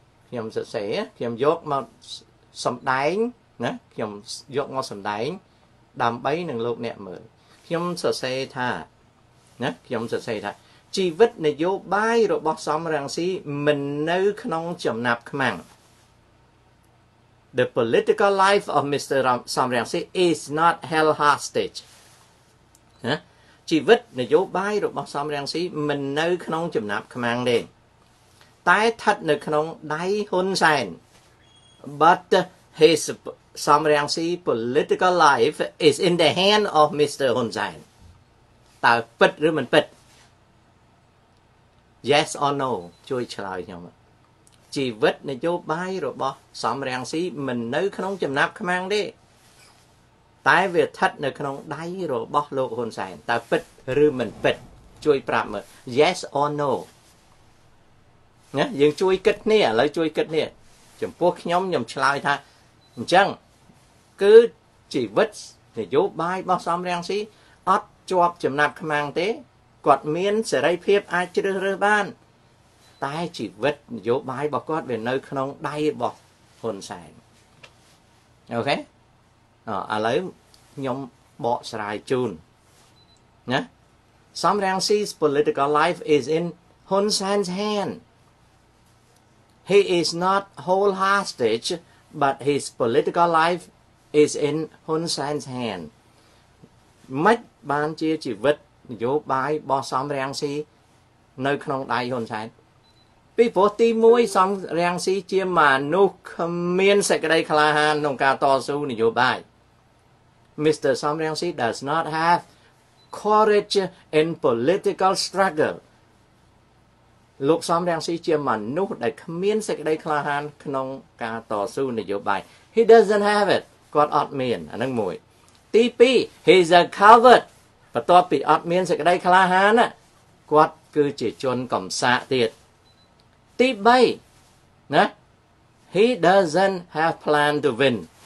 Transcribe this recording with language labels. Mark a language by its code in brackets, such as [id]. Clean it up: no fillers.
[km] ខ្ញុំយកមកសម្ដែងណាខ្ញុំយកមកសម្ដែងដើម្បីនឹងលោកអ្នកមើលខ្ញុំសរសេរថាណាខ្ញុំសរសេរថាជីវិតនយោបាយរបស់សំរាំងស៊ីមិននៅក្នុងចំណាប់ខ្មាំង [en] The political life of Mr. Sam Rangsi is not held hostage. [km] ជីវិតនយោបាយរបស់សំរាំងស៊ីមិននៅក្នុងចំណាប់ខ្មាំងទេត តែឋិតនៅក្នុងដៃហ៊ុនសែន [en] but his Samrangsi political life is in the hand of Mr. [km] Hun Sen តើពិតឬមិនពិត [en] yes or no [km] ជួយឆ្លើយខ្ញុំជីវិតនយោបាយរបស់សំរាំងស៊ីមិននៅក្នុងចំណាប់ខ្មាំងទេតែវាស្ថិតនៅក្នុងដៃរបស់លោកហ៊ុនសែនតើពិតឬមិនពិតជួយប្រាប់មើល yes or no ណាយើងជួយគិតគ្នាឥឡូវជួយគិតគ្នាចំពោះខ្ញុំខ្ញុំឆ្លើយថាអញ្ចឹងគឺជីវិតនយោបាយរបស់សំរាំងស៊ីអត់ជាប់ចំណាប់ខ្មាំងទេគាត់មានសេរីភាពអាចជ្រើសរើសបានតែជីវិតនយោបាយរបស់គាត់វានៅក្នុងដៃរបស់ហ៊ុនសែនអូខេអឥឡូវខ្ញុំបកស្រាយជូនណា [en] Sam Rangsi's political life is in Hun Sen's hand. He is not whole hostage, but his political life is in Hun Sen's hand. [km] មិនបានជាជីវិតនយោបាយរបស់ Sam Rangsi នៅក្នុងដៃហ៊ុនសែនពីព្រោះទី1សំរាំងស៊ីជាមនុស្សគ្មានសេចក្តីក្លាហានក្នុងការតស៊ូនយោបាយ Mr. សំរាំងស៊ី [en] does not have courage in political struggle [km] លោកសំរាំងស៊ីជាមនុស្សដែលគ្មានសេចក្តីក្លាហានក្នុងការតស៊ូនយោបាយ [en] He doesn't have it [km] គាត់អត់មានអានឹងមួយទី2 [en] He is a coward [km] បន្ទាប់ពីអត់មានសេចក្តីក្លាហានណាគាត់គឺជាជនកំសាកទៀតទី3ណា [en] he doesn't have plan to win